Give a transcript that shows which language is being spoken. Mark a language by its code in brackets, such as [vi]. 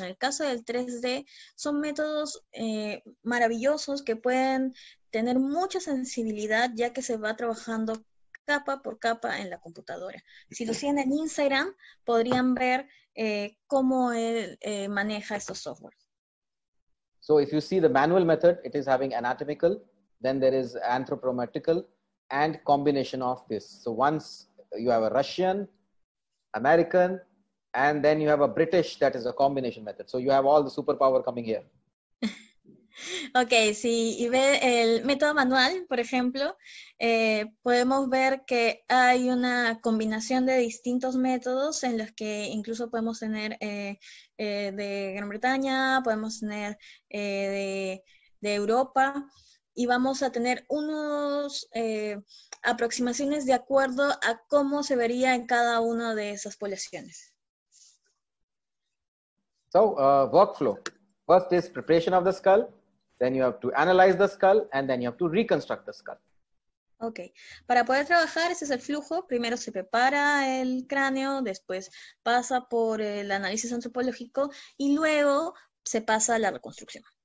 [es] En el caso del 3D son métodos maravillosos que pueden tener mucha sensibilidad ya que se va trabajando capa por capa en la computadora. Si lo siguen en Instagram, podrían ver cómo él maneja estos softwares. [en] So if you see the manual method, it is having anatomical, then there is anthropometrical and combination of this. So once you have a Russian, American, and then you have a British, that is a combination method. So you have all the superpower coming here. [es] Okay, si y ve el método manual, por ejemplo, podemos ver que hay una combinación de distintos métodos en los que incluso podemos tener de Gran Bretaña, podemos tener de Europa, y vamos a tener unos aproximaciones de acuerdo a cómo se vería en cada una de esas poblaciones. [en] So, workflow. First is preparation of the skull. Then you have to analyze the skull, and then you have to reconstruct the skull. [es] Okay. Para poder trabajar, ese es el flujo. Primero se prepara el cráneo, después pasa por el análisis antropológico, y luego se pasa a la reconstrucción.